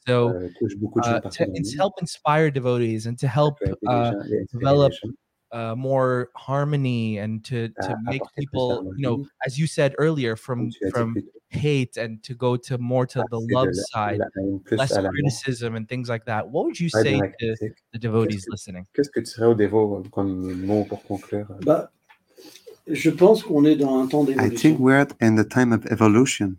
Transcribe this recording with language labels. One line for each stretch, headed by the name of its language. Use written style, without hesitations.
English: So to help inspire devotees and to help develop more harmony and to make people, you know, as you said earlier, from hate and to go to more to the love side, less criticism and things like that. What would you say to the devotees listening?
French: Qu'est-ce que tu serais au dévot comme mot pour conclure? Bah, Je pense qu'on est dans un temps d'évolution.
English: I think we're in the time of evolution.